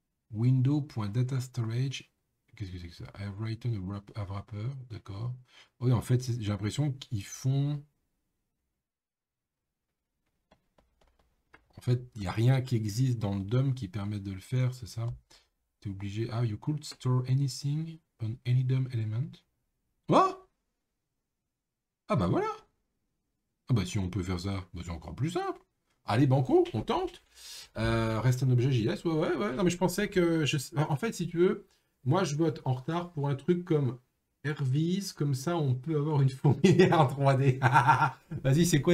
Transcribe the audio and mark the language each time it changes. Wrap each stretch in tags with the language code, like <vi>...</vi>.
<fr>Window.dataStorage. Qu'est-ce que c'est que ça?</fr> <en>I've written a wrapper.</en> <fr>D'accord. Oui, en fait, j'ai l'impression qu'ils font. En fait, il n'y a rien qui existe dans le DOM qui permette de le faire, c'est ça? Tu es obligé.</fr> <en>Ah, you could store anything on any DOM element.</en> <fr>Oh! Ah bah voilà! Ah bah si on peut faire ça, bah c'est encore plus simple. Allez, banco, on tente. Reste un objet JS. Ouais. Non, mais je pensais que. En fait, si tu veux, moi je vote en retard pour un truc comme AirVis, comme ça on peut avoir une fourmilière en 3D. Vas-y, c'est quoi?</fr>